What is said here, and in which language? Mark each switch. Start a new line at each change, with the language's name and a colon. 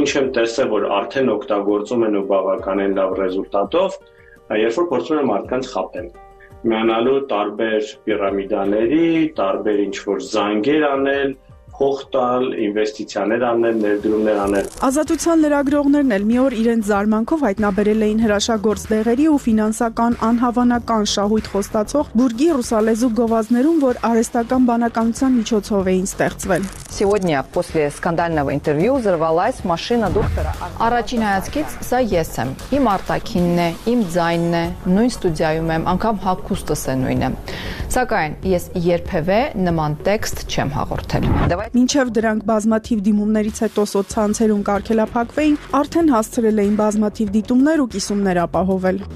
Armenian: Ինչ եմ տեսել, որ արդեն օգտագործում են ու բավականին լավ ռեզուլտատով, երբ որ փորձում են մարդկանց խաբել, միանալու տարբեր պիրամիդաների, տարբեր ինչ-որ զանգեր անել, հողտալ, ինվեստիցիաներ անել, ներդրումներ անել։ Ազատության լրագրողներն էլ մի օր իրենց զարմանքով հայտնաբերել էին հրաշագործ դեղերի ու ֆինանսական անհավանական շահույթ խոստացող բուրգի ռուսալեզու գովազներում, որ արհեստական բանականության միջոցով էին ստեղծվել։
Russian: Сегодня после скандального интервью взорвалась машина доктора.
Armenian: Առաջին հայացքից սա ես եմ, իմ արտակինն է, իմ ձայնն է, նույն ստուդիայում եմ, անգամ հագուստս է նույնը։ Սակայն ես երբևէ նման տեքստ չեմ հաղորդել։ Մինչև դրանք բազմաթիվ դիմումներից հետո սոցցանցերում կարգելափակվեին, արդեն հասցրել էին բազմաթիվ դիտումներ ու կիսումներ ապահովել։